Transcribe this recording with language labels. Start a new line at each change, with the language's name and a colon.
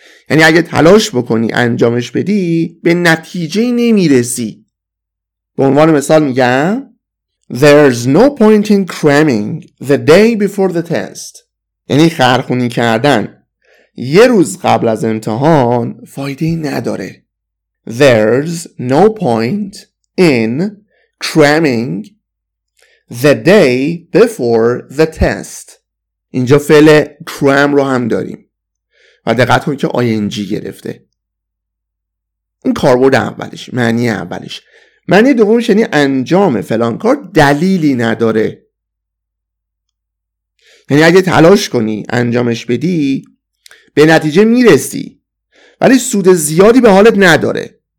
Persian: یعنی اگه تلاش بکنی انجامش بدی به نتیجه نمیرسی. به عنوان مثال میگم
English: There's no point in cramming the day before the test.
Persian: یعنی خرخونی کردن یه روز قبل از امتحان فایده ای نداره.
English: There's no point in cramming the day before the test.
Persian: اینجا فعل cram رو هم داریم و دقت کنید که ing گرفته. این کاربرد اولش، معنی اولش. معنی دومش یعنی انجام فلان کار دلیلی نداره. یعنی اگه تلاش کنی انجامش بدی به نتیجه میرسی، ولی سود زیادی به حالت نداره.